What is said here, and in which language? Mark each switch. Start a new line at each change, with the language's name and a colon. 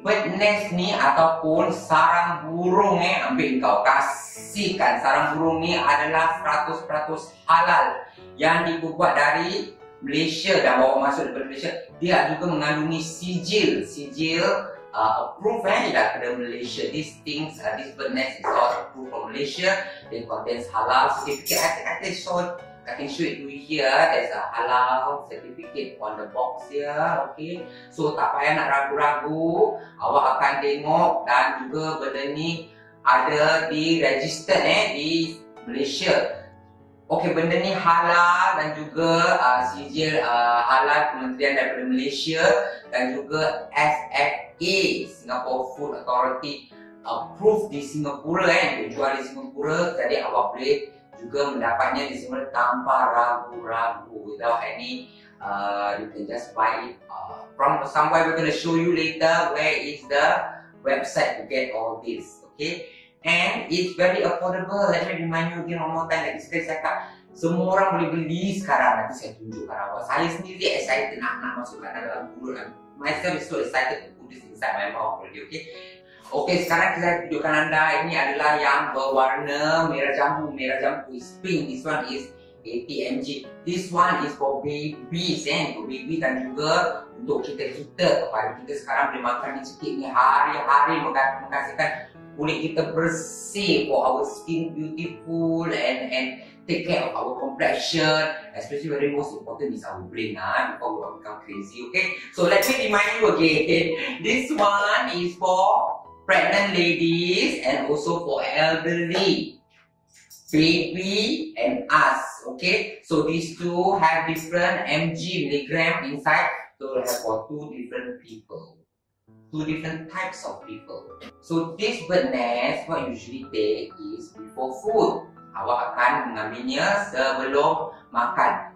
Malay: Bird nest ni ataupun sarang burung ni, ambil kau kasihkan. Sarang burung ni adalah 100% halal yang dibuat dari Malaysia dan bawa masuk daripada Malaysia. Dia juga mengandungi sijil approved daripada Malaysia.
English: These things, this bird nest is all approved from Malaysia. They contains halal.
Malay: Sikit-sikit,
English: I think I saw I can show it to you here. There's a halal certificate on the box here.
Malay: Okay, so tak payah nak ragu-ragu. Awak akan tengok dan juga benda ni ada di register di Malaysia. Okay, benda ni halal dan juga sijil halal kementerian daripada Malaysia dan juga SFA, Singapore Food Authority approved di Singapura, jual di Singapura. Jadi awak boleh juga mendapatnya di Singapura tanpa ragu-ragu,
English: without any you can just buy it from somewhere. We're going to show you later where is the website to get all this, okay? And it's very affordable. Let me remind you again one more time.
Malay: Like saya cakap, semua orang boleh beli sekarang. Nanti saya tunjukkan apa. Saya sendiri excited nak masukkan dalam mulut.
English: Myself is so excited to put this inside my mouth already, okay?
Malay: Okay, sekarang saya tunjukkan anda. Ini adalah yang berwarna merah jambu.
English: Merah jambu is pink. This one is ATMG. This one is for babies, for baby
Malay: dan juga untuk kita-kita. Kepada kita sekarang boleh makan ni sikit ni. Hari-hari menghasilkan kulit kita bersih,
English: for our skin beautiful and take care of our complexion, especially very most important is our brain, before we become crazy, okay? So let me remind you again, this one is for pregnant ladies and also for elderly, baby and us, okay? So these two have different mg milligram inside, so we have for two different people. Two different types of people. So this bird nest, what usually take is before food.
Malay: Awak akan mengambilnya sebelum makan.